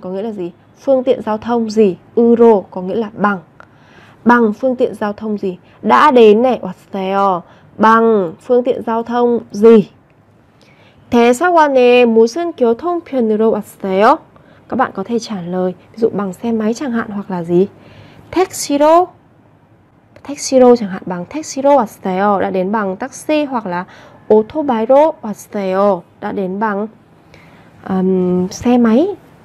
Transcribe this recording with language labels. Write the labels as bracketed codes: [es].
[vi] có nghĩa là gì? Phương tiện giao thông gì? 으로 có nghĩa là bằng. Bằng phương tiện giao thông gì? Đã đến này, 왔어요, bằng phương tiện giao thông gì? [ko] 대사관에 무슨 교통편으로 왔어요? [vi] Các bạn có thể trả lời, ví dụ bằng xe máy chẳng hạn hoặc là gì? [ko] 택시로. [vi] 택시로 chẳng hạn, bằng [ko] 택시로 왔어요, [vi] đã đến bằng taxi, hoặc là [ko] 오토바이로 왔어요, [vi] đã đến bằng xe máy.